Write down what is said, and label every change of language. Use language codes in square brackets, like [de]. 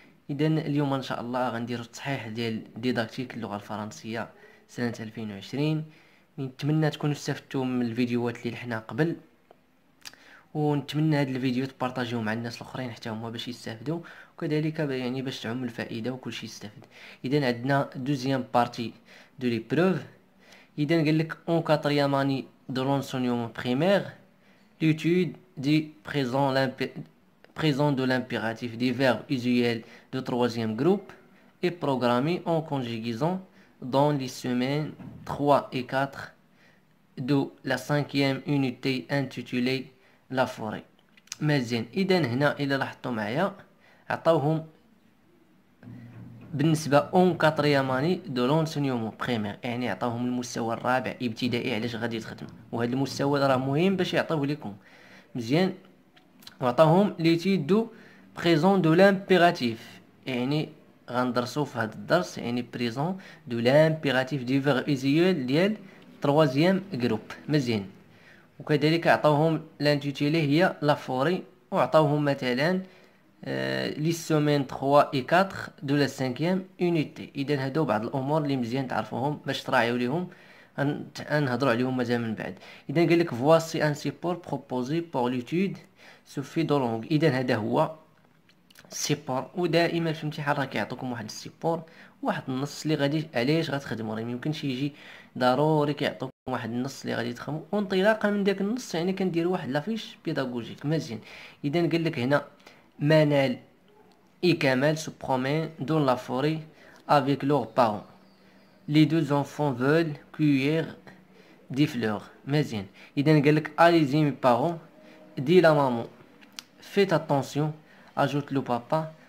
[ar] اذا اليوم ان شاء الله غندير التصحيح ديال ديداكتيك اللغه الفرنسيه سنه 2020. نتمنى تكونوا استفدتوا من الفيديوهات اللي لحنا قبل، ونتمنى هذا الفيديو تبارطاجيوه مع الناس الاخرين حتى هما باش يستافدوا، وكذلك يعني باش تعم الفائده وكل شيء يستافد. اذا عندنا دوزيام بارتي دو لي بروف. اذا قال لك [fr] اون كاتريام اني دو لونسونيوم بريمير l'étude du présent, présent de l'impératif des verbes usuels de troisième groupe est programmée en conjugaison dans les semaines 3 et 4 de la cinquième unité intitulée La forêt. [ar] Mazien, idem, هنا إلى لاحظتوا معايا عطاوهم بالنسبه اون كاتريام اني دو لونسونيوم بريمير، يعني عطاهم المستوى الرابع ابتدائي علاش غادي تخدم، وهذا المستوى راه مهم باش يعطيه لكم مزيان. وعطاهم ليتي دو بريزون دو لامبيراتيف، يعني غندرسو في هذا الدرس يعني بريزون دو لامبيراتيف دي فيغ ايزيول ديال تروازيام جروب مزيان. وكذلك عطاوهم لانتيتيلي هي لا فوري، وعطاوهم مثلا [fr] les semaines 3 et 4 de la 5e unité. [ar] إذن هادو بعض الأمور اللي مزيان تعرفوهم باش تراعيو ليهم، نهضرو عليهم مزيان من بعد. إذن قال لك [fr] voici un support proposé pour l'étude sous forme de langue. [ar] إذن هذا هو سيبور، ودائما في الامتحان راه كيعطوكم واحد السيبور، واحد النص اللي غادي علاش غتخدموا، راه ميمكنش يجي ضروري كيعطوكم واحد النص اللي غادي تخدموا، وانطلاقا من داك النص يعني كنديروا واحد لافيش بيداغوجيك. مزيان، إذن قال لك هنا [fr] Manel et Kamel se promènent dans la forêt avec leurs parents. Les deux enfants veulent cueillir des fleurs. [ar] Mazien. Idan galak, [fr] allez-y mes parents, dit la maman. Faites attention, ajoute le papa.